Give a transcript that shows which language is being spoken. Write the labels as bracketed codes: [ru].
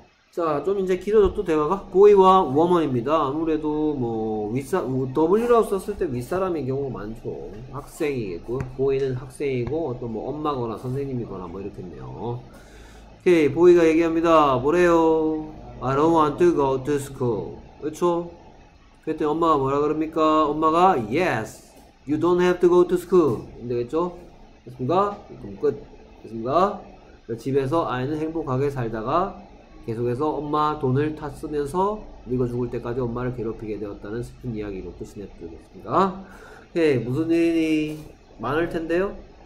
[ko] 자, 좀 이제 길어졌던 대화가 boy와 woman입니다. 아무래도 뭐 W라고 썼을 때 윗사람인 경우가 많죠. 학생이겠고 boy는 학생이고 또 뭐 엄마거나 선생님이거나 뭐 이렇겠네요. 오케이, 보이가 얘기합니다. 뭐래요? [en] I don't want to go to school. [ko] 그렇죠? 그랬더니 엄마가 뭐라 그럽니까? 엄마가 [en] Yes, you don't have to go to school. [ko] 되겠죠? 됐습니까? 그럼 끝. 됐습니까? 집에서 아이는 행복하게 살다가 계속해서 엄마 돈을 다 쓰면서 늙어 죽을 때까지 엄마를 괴롭히게 되었다는 슬픈 이야기로 끝이 냈습니다. 오케이, 무슨 일이 많을 텐데요?